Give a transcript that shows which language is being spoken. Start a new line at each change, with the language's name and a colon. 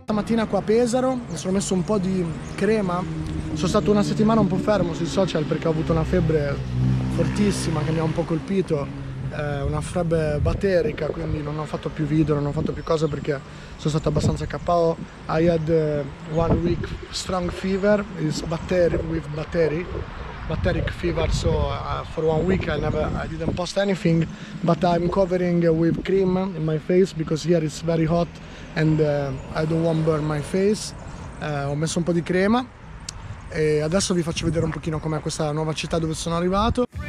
Italian: Stamattina qua a Pesaro mi sono messo un po' di crema, sono stato una settimana un po' fermo sui social perché ho avuto una febbre fortissima che mi ha un po' colpito, una febbre batterica, quindi non ho fatto più video, non ho fatto più cose perché sono stato abbastanza KO.
English: I had one week strong fever, it's batteric with batteric fever, so for one week I didn't post anything, but I'm covering with cream in my face because here it's very hot and I don't want burn my face.
Italian: Ho messo un po' di crema e adesso vi faccio vedere un pochino com'è questa nuova città dove sono arrivato.